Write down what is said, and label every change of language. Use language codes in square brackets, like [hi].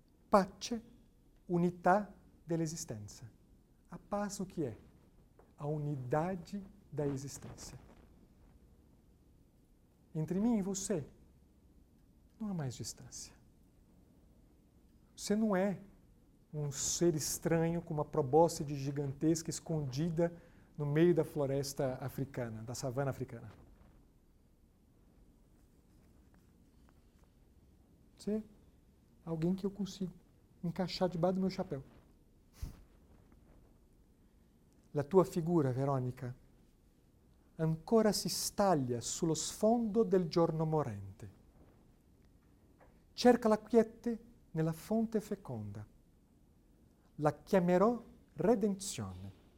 [it] Pace, unità dell'esistenza. [pt] A paz o que é? A unidade da existência. Entre mim e você, não há mais distância. Você não é um ser estranho com uma probóscide gigantesca escondida no meio da floresta africana, da savana africana. Você é alguém que eu consigo encaixar debaixo do meu chapéu. [it] La tua figura, Veronica, ancora si staglia sullo sfondo del giorno morente. Cerca la quiete nella fonte feconda. La chiamerò redenzione.